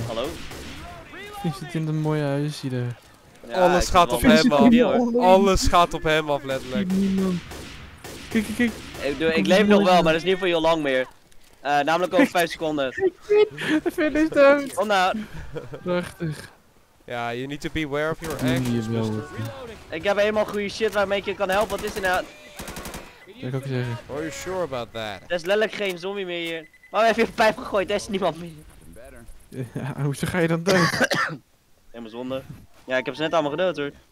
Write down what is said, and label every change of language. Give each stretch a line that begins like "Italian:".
Dutch: Hallo? Ik zit in een mooi huis hier. Ja, alles gaat op hem af. Alles gaat op hem af, letterlijk. Kijk, kijk, kijk. Ik leef nog wel, maar dat is niet voor heel lang meer. Namelijk over 5 seconden. Finn is dood. Kom nou. Prachtig.
English: Ja, you need to beware of your ex.
Dutch: Ik heb helemaal goede shit waarmee ik je kan helpen. Wat is er nou? Kijk ook zeggen.
English: Are you sure about that?
Dutch: Er is letterlijk geen zombie meer hier. Waarom heb je een pijp gegooid? Er is niemand meer. Ja, hoe ga je dan dood? Helemaal zonde. Ja, ik heb ze net allemaal gedood hoor.